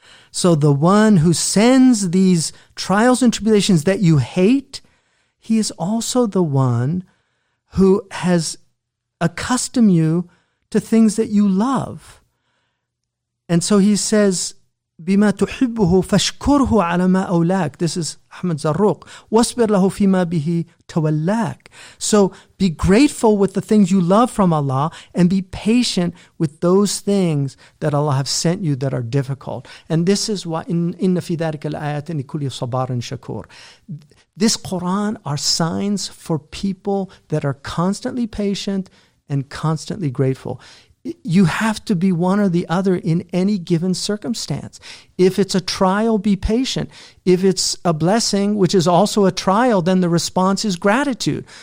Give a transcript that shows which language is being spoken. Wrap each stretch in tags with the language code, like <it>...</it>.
<en>So the one who sends these trials and tribulations that you hate, he is also the one who has accustomed you to things that you love. And so he says,</en> <ar>بِمَا تُحِبُّهُ فَاشْكُرْهُ عَلَى مَا أَوْلَاكَ.</ar> <en>This is Ahmad Zarruq.</en> <ar>وَاصْبِرْ لَهُ فِيمَا بِهِ تَوَلَّاكَ.</ar> <en>So be grateful with the things you love from Allah, and be patient with those things that Allah have sent you that are difficult. And this is why</en> <ar>إِنَّ فِي ذَلِكَ الْآيَاتٍ لِكُلِّ صَبَارٍ شَكُورٍ.</ar> <en>This Quran are signs for people that are constantly patient and constantly grateful. You have to be one or the other in any given circumstance. If it's a trial, be patient. If it's a blessing, which is also a trial, then the response is gratitude.</en>